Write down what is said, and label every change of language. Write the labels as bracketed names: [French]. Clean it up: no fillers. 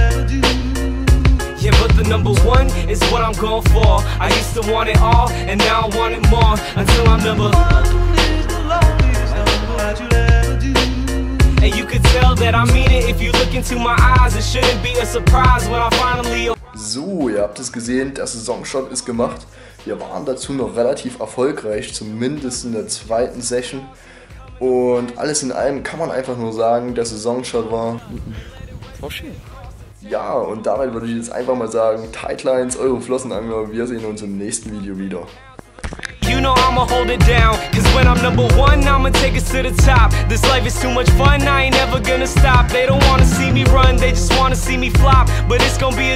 [English] Yeah, but the number one is what I'm going for. I used to want it all, and now I want it more. Until I'm number one is the loneliest number that you'll ever do. And you could tell that I mean it if you look into my eyes. It shouldn't be a surprise when I finally. [German] So, ihr habt es gesehen, der Saisonshot ist gemacht. Wir waren dazu noch relativ erfolgreich, zumindest in der zweiten Session. Und alles in allem kann man einfach nur sagen, der Saisonshot war. Voll schön. Ja, und damit würde ich jetzt einfach mal sagen, Tightlines, eure Flossenangler, wir sehen uns im nächsten Video wieder. [English] You know I'ma hold it down, cause when I'm number one, I'ma take us to the top. This life is too much fun, I ain't never gonna stop. They don't wanna see me run, they just wanna see me flop. But it's gonna be a